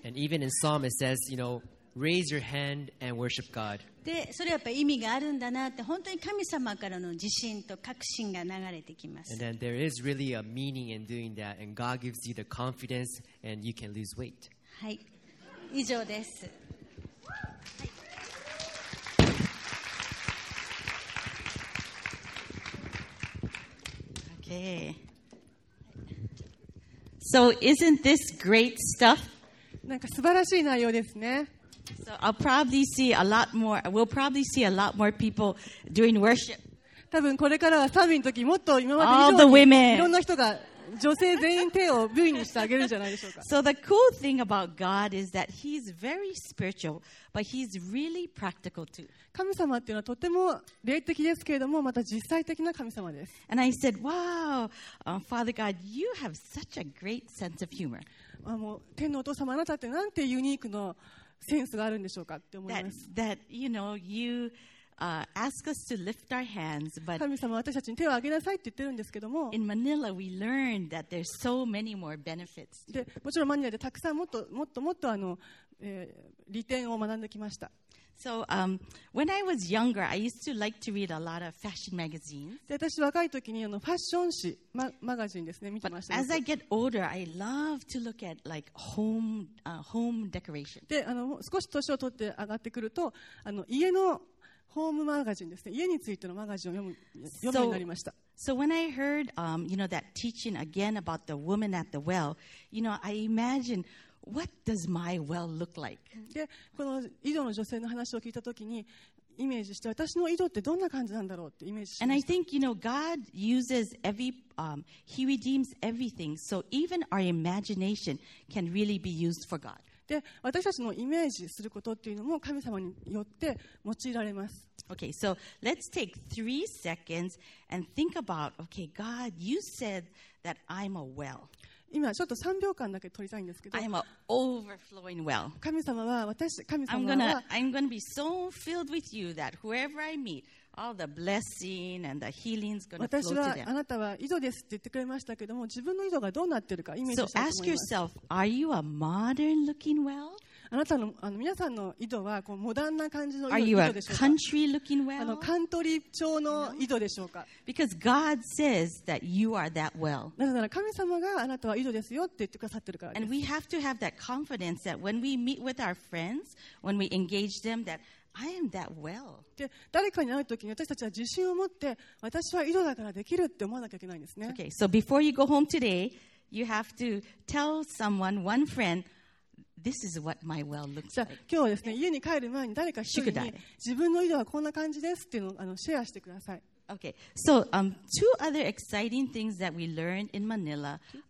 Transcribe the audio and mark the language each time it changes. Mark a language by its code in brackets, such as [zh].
[en] And even in Psalm it says, you know, raise your hand and worship God. [ja] で、それやっぱ意味があるんだなって本当に神様からの自信と確信が流れてきます。 [en] And then there is really a meaning in doing that, and God gives you the confidence and you can lose weight. [ja] はい、以上です。 [en] So isn't this great stuff? [ja] なんか素晴らしい内容ですね。 [en] So I'll probably see a lot more. We'll probably see a lot more people doing worship. [ja] 多分これからは賛美の時もっと今まで以上にいろんな人が女性全員手を V にしてあげるんじゃないでしょうか。 [en] So the cool thing about God is that He's very spiritual, but He's really practical too. [ja] 神様っていうのはとても霊的ですけれども、また実際的な神様です。 [en] And I said, "Wow, Father God, you have such a great sense of humor." [ja] あ、もう天のお父様、あなたってなんてユニークのセンスがあるんでしょうかって思います。 [en] That you know you ask us to lift our hands, but [ja] 神様は私たちに手を挙げなさいって言ってるんですけども [en] in Manila, we learned that there's so many more benefits. [ja] でもちろんマニラでたくさんもっともっともっとあの、利点を学んできました。 [en] So, when I was younger, I used to like to read a lot of fashion magazines. [ja] で、私は若い時にあのファッション誌、マガジンですね、見てました。 [en] But as I get older, I love to look at like home decoration. [ja] で、あの、少し年を取って上がってくると、あの、家のホームマガジンですね、家についてのマガジンを読むようになりました。 [en] So when I heard, you know, that teaching again about the woman at the well, you know, I imagineWhat does my well look like? [ja] で、この井戸の女性の話を聞いたときにイメージして私の井戸ってどんな感じなんだろうってイメージしました。 [en] And I think, you know, God uses every, He redeems everything, so even our imagination can really be used for God. [ja] で、私たちのイメージすることっていうのも神様によって用いられます。 [en] Okay, so let's take 3 seconds and think about, okay, God, you said that I'm a well. [ja] 今ちょっと3秒間だけ取りたいんですけど [en] I'm an overflowing well. [ja] 神様は私神様は [en] I'm going to be so filled with you that whoever I meet, all the blessing and the healing is going to flow to them. [ja] 私はあなたは井戸ですって言ってくれましたけども自分の井戸がどうなってるかイメージしたいと思います。 [en] So ask yourself, are you a modern looking well? [ja] あなたの、あの皆さんの井戸はこうモダンな感じの井戸でしょうか? [en] Are you a country looking well? [ja] あのカントリー調の井戸でしょうか? [en] Because God says that you are that well. [ja] なぜなら神様があなたは井戸ですよって言ってくださってるからです。 [en] And we have to have that confidence that when we meet with our friends, when we engage them, that I am that well. [ja] で、誰かに会うときに私たちは自信を持って私は井戸だからできるって思わなきゃいけないんですね。 [en] Okay, so before you go home today, you have to tell someone, one friend,This is what my well looks like. [ja] 今日はですね、家に帰る前に誰か一人に自分の井戸はこんな感じですっていうのをあのシェアしてください。 [en] Okay. So, two other exciting things that we learned in Manila.